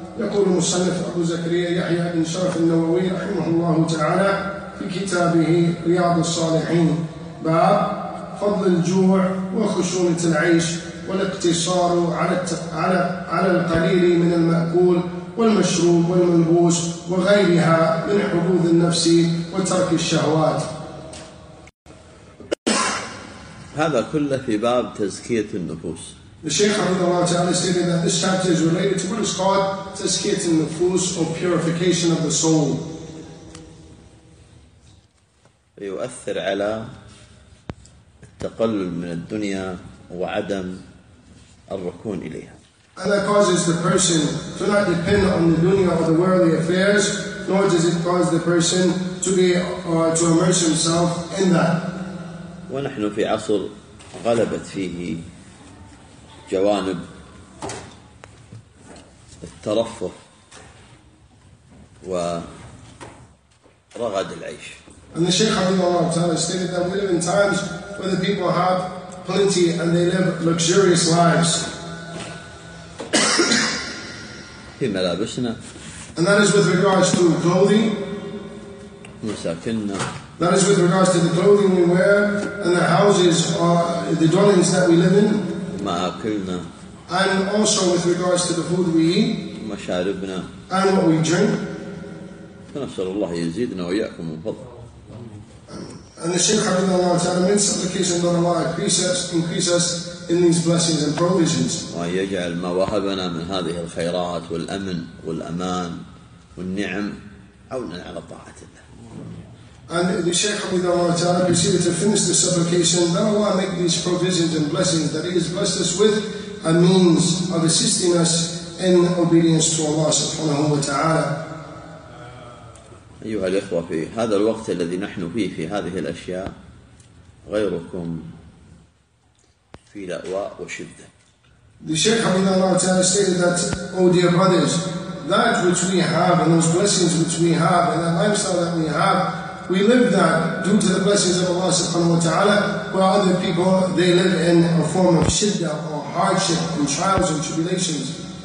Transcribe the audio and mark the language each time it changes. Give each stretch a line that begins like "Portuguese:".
Arabic: يقول المصنف أبو زكريا يحيى بن شرف النووي رحمه الله تعالى في كتابه رياض الصالحين، باب فضل الجوع وخشونة العيش والاقتصار على القليل من المأكول والمشروب والملبوس وغيرها من حدود النفس وترك الشهوات. هذا كله في باب تزكية النفوس.
English: The Shaykh
Arabic: رضي الله تعالى
English: stated that this chapter is related to what is called
Arabic: تزكية النفوس
English: or purification of the soul.
Arabic: يؤثر على التقلل من الدنيا وعدم الركون إليها.
English: And that causes the person to not depend on the dunya or the worldly affairs, nor does it cause the person to be to immerse himself in that.
Arabic: ونحن في عصر غلبت فيه جوانب الترفه ورغد العيش.
English: And the Shaykh
Arabic: رضي الله تعالى
English: stated that we live in times where the people have plenty and they live luxurious lives.
Arabic: في ملابسنا.
English: And that is with regards to clothing.
Arabic: مساكننا.
English: That is with regards to the clothing we wear and the houses or the dwellings that we live in.
Arabic: مأكلنا.
English: And also with regards to the food we eat.
Arabic: مشاربنا.
English: And what we drink.
Arabic: فنسأل الله يزيدنا وإياكم من فضله.
English: And the Shaykh
Arabic: حفظه الله تعالى
English: means supplication that Allah increase us in these blessings and provisions.
Arabic: ويجعل ما وهبنا من هذه الخيرات والأمن والأمان والنعم عونا على طاعة الله.
English: And the Shaykh Habibullah Allah Ta'ala proceeded to finish the supplication that Allah make these provisions and blessings that He has blessed us with a means of assisting us in obedience to Allah subhanahu wa ta'ala.
Arabic: أيها الإخوة، في هذا الوقت الذي نحن فيه في هذه الأشياء غيركم في لأواء وشدة.
English: The Shaykh Habibullah Allah Ta'ala stated that, oh dear brothers, that which we have and those blessings which we have and that lifestyle that we have, we live that due to the blessings of Allah subhanahu wa ta'ala, while other people, they live in a form of shidda or hardship and trials and tribulations.